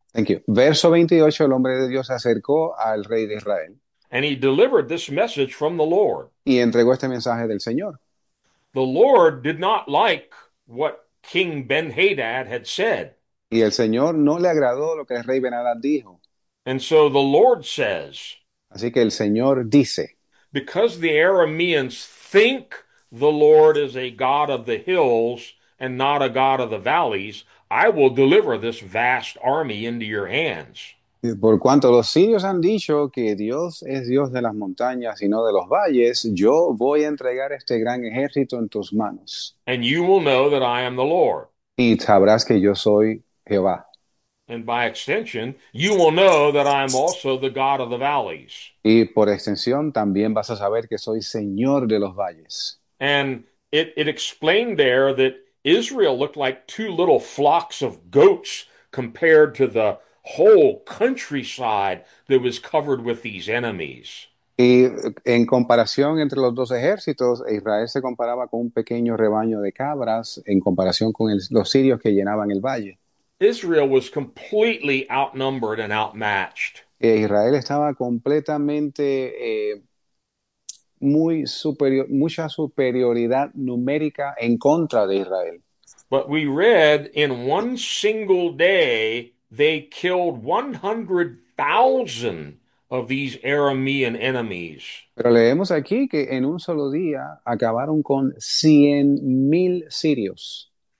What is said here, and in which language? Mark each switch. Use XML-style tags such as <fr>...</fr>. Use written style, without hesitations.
<en>Thank you.</en> <es>Verso 28, el hombre de Dios se acercó al rey de Israel</es> <en>And he delivered this message from the Lord.</en> <es>y entregó este mensaje del Señor.</es> <en>The Lord did not like what King Ben-Hadad had said.</en> <es>Y el Señor no le agradó lo que el rey Ben-Hadad dijo.</es> <en>And so the Lord says,</en> <es>Así que el Señor dice:</es> <en>because the Arameans think the Lord is a God of the hills and not a God of the valleys, I will deliver this vast army into your hands.</en> <es>Por cuanto los sirios han dicho que Dios es Dios de las montañas y no de los valles, yo voy a entregar este gran ejército en tus manos.</es> <en>And you will know that I am the Lord.</en> <es>Y sabrás que yo soy Jehová.</es> <en>And by extension, you will know that I am also the God of the valleys.</en> <es>Y por extensión, también vas a saber que soy Señor de los valles.</es> <en>And it explained there that Israel looked like two little flocks of goats compared to the whole countryside that was covered with these enemies.</en> <es>Y en comparación entre los dos ejércitos, Israel se comparaba con un pequeño rebaño de cabras en comparación con los sirios que llenaban el valle.</es> <en>Israel was completely outnumbered and outmatched.</en> <es>Israel estaba completamente muy superior, mucha superioridad numérica en contra de Israel.</es> <en>But we read in one single day they killed 100,000 of these Aramean enemies.</en> <es>Pero leemos aquí que en un solo día acabaron con 100.000 sirios.</es>